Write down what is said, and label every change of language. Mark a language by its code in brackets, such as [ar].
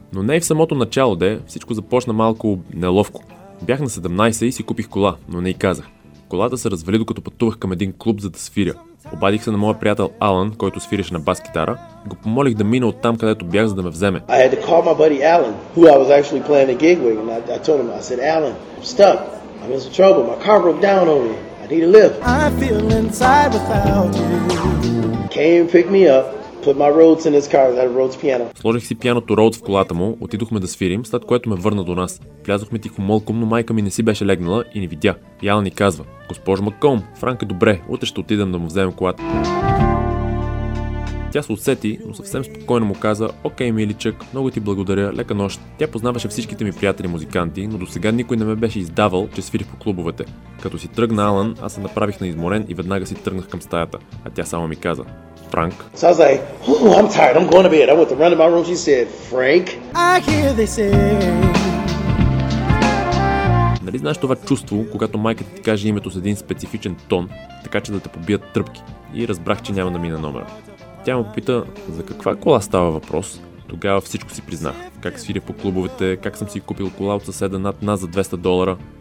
[bg] Но не и в самото начало, де всичко започна малко неловко. Бях на 17 и си купих кола, но не и казах. Колата се развали, докато пътувах към един клуб, за да свиря. Обадих се на моя приятел Алан, който свиреше на бас китара, и го помолих да мина оттам, където бях, за да ме вземе. [en] I had to call my buddy Alan, who I was actually playing a gig with, and I told him, I said, Alan, I'm stuck. I'm in some trouble. My car broke down on me. I need a lift. I feel inside without you. Came, pick me up. Put my Rhodes in his car, that Rhodes piano. [bg] Сложих си пианото Rhodes в колата му, отидохме да свирим, след което ме върна до нас. Влязохме тихо мълком, но майка ми не си беше легнала и ни видя. И Алан ни казва: Госпожо Маккълм, Франк е добре, утре ще отидем да му вземем колата. Тя се усети, но съвсем спокойно му каза: Окей, миличък, много ти благодаря, лека нощ. Тя познаваше всичките ми приятели музиканти, но до сега никой не ме беше издавал, че свирих по клубовете. Като си тръгна Алан, аз се направих на изморен и веднага си тръгнах към стаята, а тя само ми каза: Frank. [en] So I was like, ooh, I'm tired, I'm going to bed. I went to run to my room, she said, Frank. I hear they say. [bg] Нали знаеш това чувство, когато майката ти каже името с един специфичен тон, така че да те побият тръпки? И разбрах, че няма да мина номера. Тя ме попита за каква кола става въпрос. Тогава всичко си признах. Как свиря по клубовете, как съм си купил кола от съседа над нас за $200.